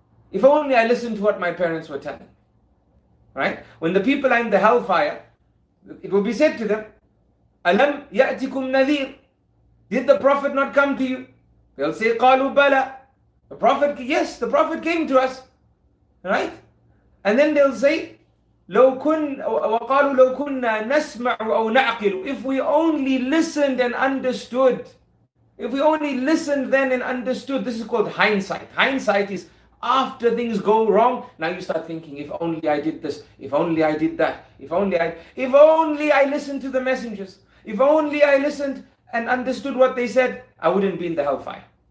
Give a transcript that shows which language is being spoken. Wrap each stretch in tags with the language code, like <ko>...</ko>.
<en>If only I listened to what my parents were telling. Right? When the people are in the hellfire, it will be said to them,</en> <ar>Alam ya'tikum nadhir?</ar> <en>Did the Prophet not come to you? They'll say,</en> <ar>Qalu bala.</ar> <en>The Prophet, yes, the Prophet came to us. Right? And then they'll say,</en> <ar>وَقَالُوا لَوْ كُنَّا نَسْمَعُ أَوْ نَعْقِلُ.</ar> <en>If we only listened and understood. If we only listened then and understood. This is called hindsight. Hindsight is after things go wrong, now you start thinking, if only I did this, if only I did that, if only I listened to the messengers, if only I listened and understood what they said, I wouldn't be in the hellfire.</en>